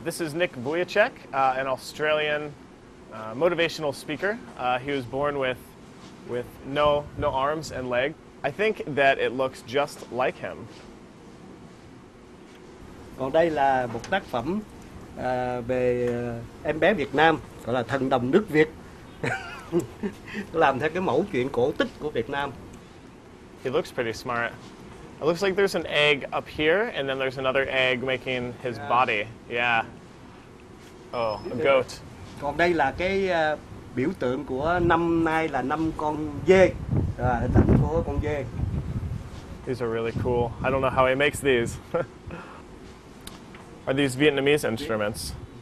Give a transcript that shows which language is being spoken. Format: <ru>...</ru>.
<en>This is Nick Vujicic, an Australian motivational speaker. He was born with no arms and leg. I think that it looks just like him.</en> <vi>Còn đây là một tác phẩm về em bé Việt Nam, gọi là thần đồng nước Việt. Làm theo cái mẫu chuyện cổ tích của Việt Nam.</vi> <en>He looks pretty smart. It looks like there's an egg up here, and then there's another egg making his body. Yeah. Oh, a goat.</en> <vi>Còn đây là cái biểu tượng của năm nay là năm con dê. Hình ảnh của con dê.</vi> <en>These are really cool. I don't know how he makes these. Are these Vietnamese instruments?</en>